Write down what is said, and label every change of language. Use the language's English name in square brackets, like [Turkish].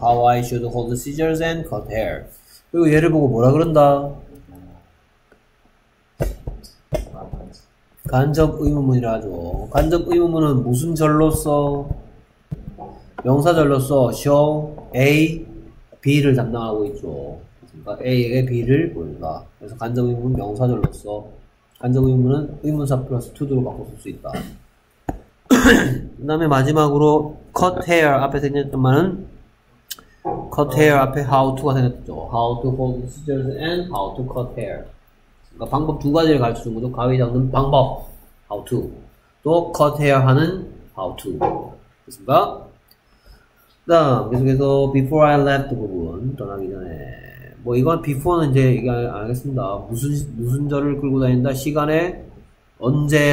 [English] How I should hold scissors and cut hair. [Korean] 그리고 얘를 보고 뭐라 그런다? 간접 의문문이라 하죠. 간접 의문문은 무슨 절로서? 명사절로서 show A, B를 담당하고 있죠. A에게 B를 보인다. 그래서 간접 의문은 명사절로서 간접 의문은 의문사 플러스 to do로 바꿔줄 수 있다. 그 다음에 마지막으로 cut hair 앞에 생겼던 말은 cut hair 앞에 how to가 생겼죠. [English] How to hold scissors and how to cut hair. [Korean] 그러니까 방법 두 가지를 가르쳐준 거죠. 가위 잡는 방법 how to, 또 cut hair 하는 how to. 됐습니까? 그 다음 계속해서 [English] before I left [Korean] 부분 떠나기 전에 뭐 이건 before는 이제 알겠습니다. 무슨 절을 끌고 다닌다? 시간에 언제?